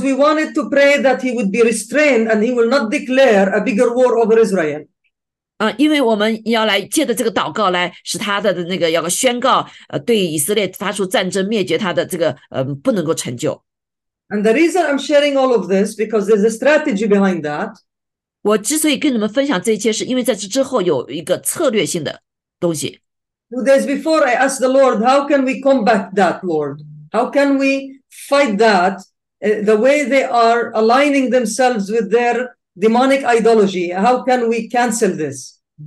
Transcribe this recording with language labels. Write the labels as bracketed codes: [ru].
[en] we wanted to pray that he would be restrained and he will not declare a bigger war over Israel. [zh] 因为我们要来借着这个祷告来使他的那个要宣告，对以色列发出战争灭绝他的这个不能够成就。 [en] And the reason I'm sharing all of this because there's a strategy behind that. [zh] 我之所以跟你们分享这一切，是因为在这之后有一个策略性的东西。2 [en] days before I asked the Lord, how can we combat that, Lord? How can we fight that? The way they are aligning themselves with their demonic ideology, how can we cancel this?